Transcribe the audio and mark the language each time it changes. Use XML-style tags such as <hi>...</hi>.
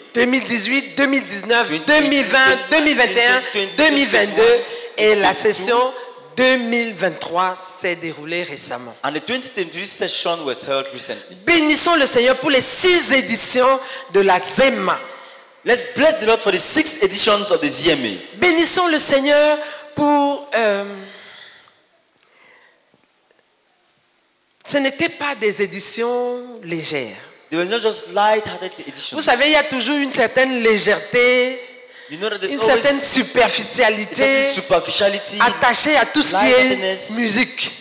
<fr>2018, 2019, 2020, 2021, 2022 et la session 2023 s'est déroulée récemment.</fr> <en>And the 2023 session was held recently.</en> <fr>Bénissons le Seigneur pour les 6 éditions de la ZMA.</fr> <en>Let's bless the Lord for the 6 editions of the ZMA.</en> <fr>Bénissons le Seigneur pour ce n'était pas des éditions légères.</fr> <en>They were not just light-hearted editions.</en> <fr>Vous savez, il y a toujours une certaine légèreté,</fr> <en>you know,</en> <fr>une certaine superficialité, attachée à tout ce qui est musique.</fr>